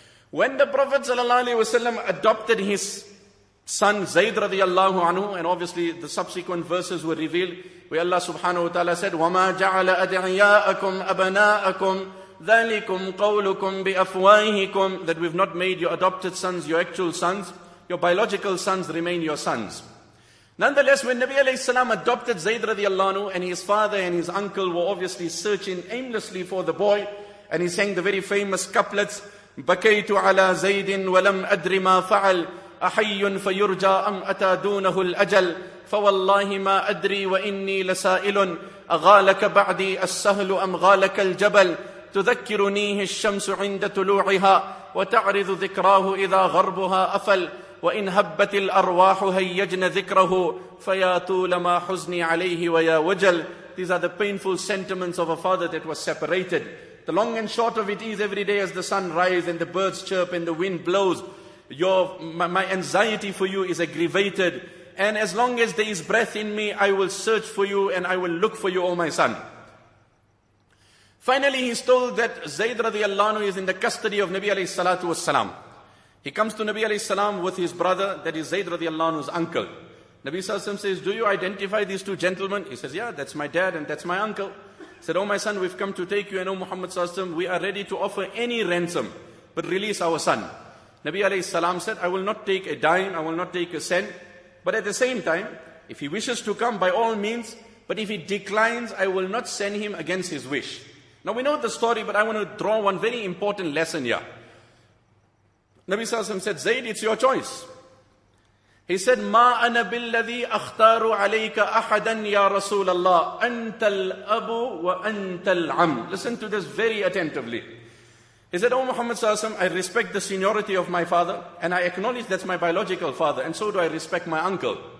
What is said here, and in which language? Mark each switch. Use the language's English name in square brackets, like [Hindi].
[English] When the Prophet sallallahu alayhi wasallam adopted his son Zayd radiallahu anhu, and obviously the subsequent verses were revealed, where Allah subhanahu wa ta'ala said, [Arabic] وَمَا جَعَلَ أَدْعِيَاءَكُمْ أَبَنَاءَكُمْ ذَلِكُمْ قَوْلُكُمْ بِأَفْوَاهِكُمْ, [English] that we've not made your adopted sons your actual sons, your biological sons remain your sons. Nonetheless, when Nabi alayhi salam adopted Zayd radiallahu anhu, and his father and his uncle were obviously searching aimlessly for the boy, and he sang the very famous couplets, [Arabic] بَكَيْتُ عَلَى زَيْدٍ وَلَمْ أَدْرِ مَا فَعَلْ أَحَيٌّ فَيُرْجَى أَمْ أَتَى دُونَهُ الْأَجَلْ فَوَاللَّهِ مَا أَدْرِي وَإِنِّي لَسَائِلٌ أَغَالَكَ بَعْدِي السَّهْلُ أَمْ غَالَكَ الْجَبَلْ تُذَكِّرُنِيهِ الشَّمْسُ عِنْدَ طُلُوعِهَا وَتَعْرِضُ ذِكْرَاهُ إِذَا غَرْبُهَا أَفَلْ وَإِنْ هَبَّتِ الْأَرْوَاحُ هَيَّجْنَ ذِكْرَهُ فَيَا طُولَ مَا حُزْنِي عَلَيْهِ وَيَا وَجَلْ. [English] These are the painful sentiments of a father that was separated. The long and short of it is, every day as the sun rises and the birds chirp and the wind blows, my anxiety for you is aggravated. And as long as there is breath in me, I will search for you and I will look for you, O my son. Finally, he's told that Zayd radiallahu anhu is in the custody of Nabi alayhi salatu wasalam. He comes to Nabi alayhi salam with his brother, that is Zayd radiallahu anhu's uncle. Nabi sallallahu alayhi wa sallam says, do you identify these two gentlemen? He says, yeah, that's my dad and that's my uncle. He said, O my son, we've come to take you, and O Muhammad sallallahu alayhi wa sallam, we are ready to offer any ransom, but release our son. Nabi alayhi salam said, I will not take a dime, I will not take a cent. But at the same time, if he wishes to come, by all means. But if he declines, I will not send him against his wish. Now we know the story, but I want to draw one very important lesson here. Nabi sallallahu alayhi wa sallam said, Zayd, it's your choice. He said, [Arabic] مَا أَنَا بِالَّذِي أَخْتَارُ عَلَيْكَ أَحَدًا يَا رَسُولَ اللَّهِ أَنْتَ الْأَبُ وَأَنْتَ الْعَمْ. [English] Listen to this very attentively. He said, O Muhammad sallallahu alayhi wa sallam, I respect the seniority of my father, and I acknowledge that's my biological father, and so do I respect my uncle.